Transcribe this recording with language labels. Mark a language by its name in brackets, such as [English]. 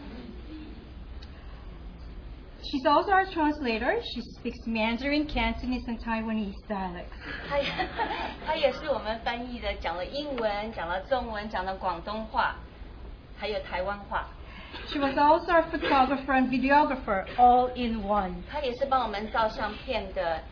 [Chinese] 他带了他自己的投影机。什么？投影机。 [English] She's also our translator. She speaks Mandarin, Cantonese, and Taiwanese dialects. [Chinese] 他也是我们翻译的，讲了英文，讲了中文，讲了广东话，还有台湾话。 [English] She was also our photographer and videographer, all in one. [Chinese] 她也是帮我们照相片的。